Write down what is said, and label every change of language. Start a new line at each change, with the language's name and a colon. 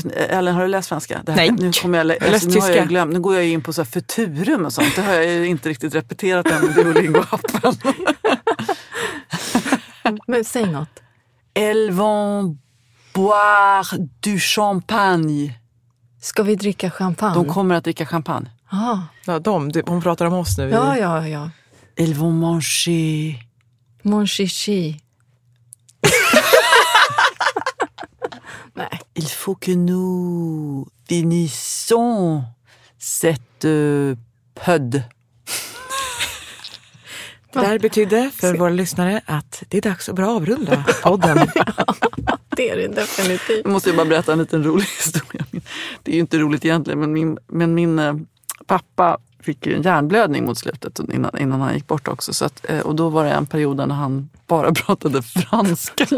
Swedish: Ellen, har du läst franska? Det här, nej, nu kommer jag läst tyska. Jag glömt. Nu går jag in på så här futurum och sånt. Det har jag ju inte riktigt repeterat än med Duolingo-appen. Men säg något.
French: Elle vont boire du champagne.
Swedish: Ska vi dricka champagne? De kommer att dricka champagne. Ah. Ja, de, hon pratar om oss nu. Ja, ja, ja.
French: Ils vont manger. Mon chichi.
Swedish: Nej.
French: Il faut que nous finissons cette pod.
Swedish: Det här betyder för våra lyssnare att det är dags att bara avrunda podden. Det är det definitivt. Jag måste ju bara berätta en liten rolig historia. Det är ju inte roligt egentligen, men min pappa fick ju en hjärnblödning mot slutet innan han gick bort också. Så att, och då var det en period när han bara pratade franska.